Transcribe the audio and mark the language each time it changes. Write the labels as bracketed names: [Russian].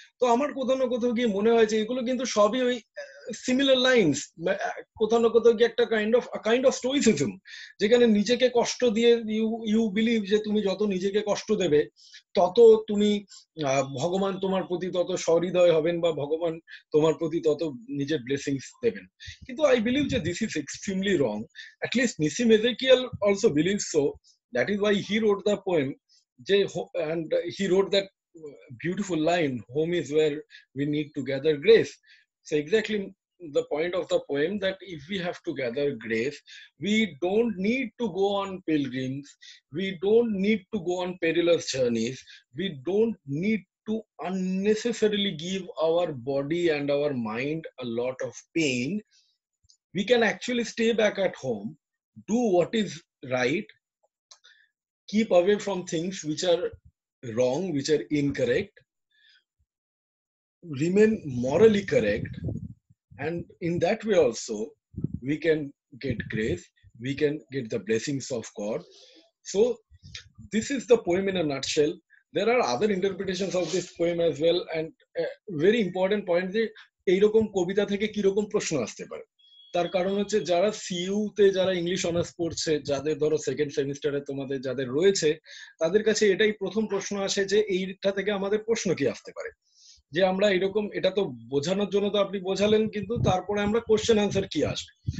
[Bangla] তো আমার কোথাও না কোথাও গিয়ে মনে হয় যে এগুলো কিন্তু সবই ওই সিমিলার লাইন্স, কোথাও না কোথাও গিয়ে একটা কাইন্ড অফ স্টোয়সিজম, যেখানে নিজেকে কষ্ট দিয়ে [English] you believe [Bangla] যে তুমি যত নিজেকে কষ্ট দেবে তত তুমি ভগবান তোমার প্রতি তত সহৃদয় হবেন, বা ভগবান তোমার প্রতি তত নিজের ব্লেসিংস দেবেন. [English] কিন্তু I believe যে this is extremely wrong, at least Nissim Ezekiel also believe so. That is why he wrote the poem, and he wrote that beautiful line, home is where we need to gather grace. So exactly the point of the poem, that if we have to gather grace, we don't need to go on pilgrims, we don't need to go on perilous journeys, we don't need to unnecessarily give our body and our mind a lot of pain. We can actually stay back at home, do what is right, keep away from things which are wrong, which are incorrect, remain morally correct, and in that way also we can get grace, we can get the blessings of God. So this is the poem in a nutshell. There are other interpretations of this poem as well, and a very important point, [Bangla] ei rokom kobita theke ki rokom proshno aste pare. তার কারণ হচ্ছে যারা CU তে যারা English honours পড়ছে, যাদের ধরো second সেমিস্টারে তোমাদের যাদের রয়েছে, তাদের কাছে এটাই প্রথম প্রশ্ন আসে যে এইটা থেকে আমাদের প্রশ্ন কি আসতে পারে, যে আমরা এরকম, এটা তো বোঝানোর জন্য তো আপনি বোঝালেন, কিন্তু তারপরে আমরা কোশ্চেন আনসার কি আসবে।